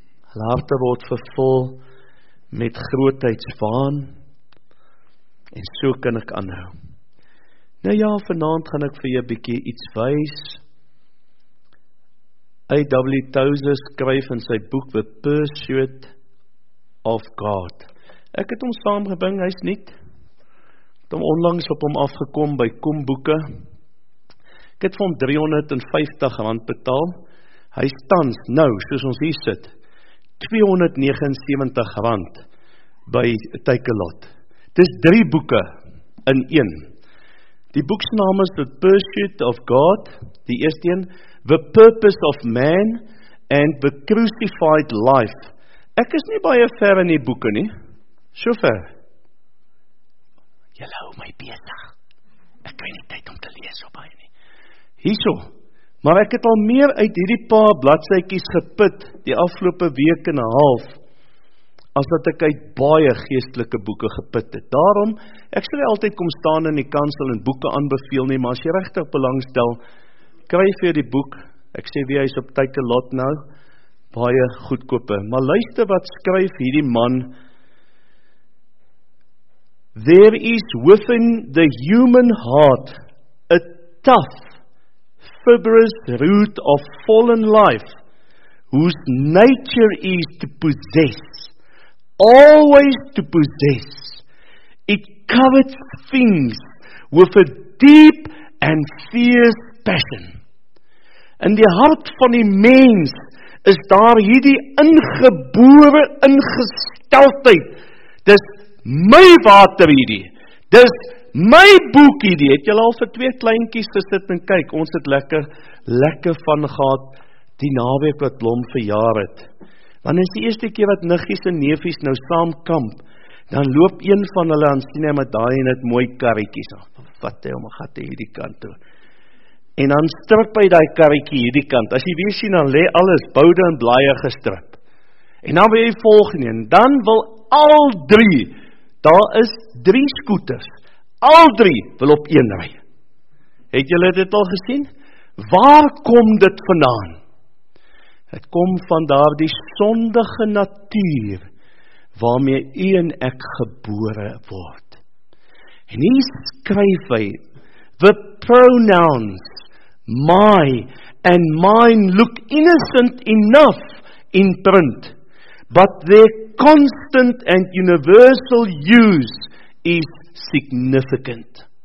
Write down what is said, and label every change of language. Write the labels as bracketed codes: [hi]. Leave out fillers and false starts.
[af] Hulle harte word vervul met grootheidswaan, en so kan ek aanhou. Nou ja, vanaand gaan ek vir jou 'n bietjie iets wys. A.W. Tozer skryf in sy boek The Pursuit of God. Ek het hom saamgebring, hy's nuut. Het hom onlangs op hom afgekom by Kom Boeke. Ek het vir hom R350 betaal. Hy tans nou, soos ons hier sit, R279 by Takealot. Dis 3 boeke in 1. Die boekse naam is The Pursuit of God, die eerste een, The Purpose of Man, and The Crucified Life. Ek is nie baie ver in die boeke nie, so ver. Julle hou my besig, ek kry nie tyd om te lees so baie nie. Hierso, maar ek het al meer uit hierdie paar bladsykies geput die afgelope week en 'n half, as dat ek uit baie geestelike boeke geput het. Daarom, ek sal nie altyd kom staan in die kansel en boeke aanbeveel nie, maar as jy regtig belangstel, kry vir die boek, ek sê wie hy is op Takealot nou, baie goedkope. Maar luister wat skryf hierdie man. [en] There is within the human heart a tough, fibrous root of fallen life, whose nature is to possess always to possess. It covets things with a deep and fierce passion. [af] In die hart van die mens is daar hierdie ingebore ingesteldheid. Dis my water hierdie. Dis my boekie die. Het julle al vir twee kleintjies gesit en kyk. Ons het lekker van gehad die naweek wat Blom verjaar het. Want is die eerste keer wat niggies en neefies nou saam kamp, dan loop een van hulle aan sien hy met daai en het mooi karretjies. Wat hy om gat hy hierdie kant toe. En dan strip hy die karretjie hierdie kant. As jy weer sien, dan lê alles boude en blaie gestrip. En dan wil jy volgende en dan wil al drie, daar is drie skooters, al drie wil op een ry. Het julle dit al gesien? Waar kom dit vandaan? Het kom van daar die sondige natuur waarmee u en ek gebore word. En hier skryf hy [en] the pronouns my and mine look innocent enough in print, but their constant and universal use is significant.